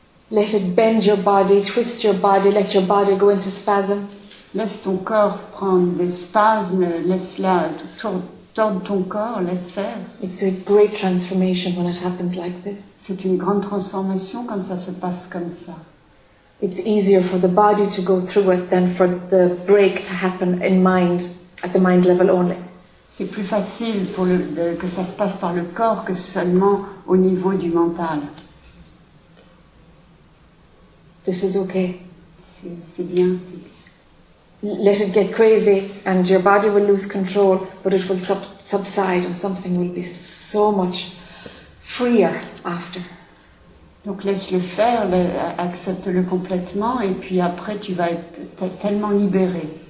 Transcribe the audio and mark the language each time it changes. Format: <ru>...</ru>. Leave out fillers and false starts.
<en>Let it bend your body, twist your body, let your body go into spasm.</en> <fr>Laisse ton corps prendre des spasmes, laisse-la tends ton corps, laisse faire.</fr> <en>It's a great transformation when it happens like this.</en> <fr>C'est une grande transformation quand ça se passe comme ça.</fr> <en>It's easier for the body to go through it than for the break to happen in mind, at the mind level only.</en> <fr>C'est plus facile pour le, de, que ça se passe par le corps que seulement au niveau du mental.</fr> <en>This is okay.</en> <fr>C'est bien, c'est bien.</fr> <en>Let it get crazy and your body will lose control, but it will subside and something will be so much freer after.</en> <fr>Donc laisse-le faire, accepte-le complètement et puis après tu vas être tellement libéré.</fr>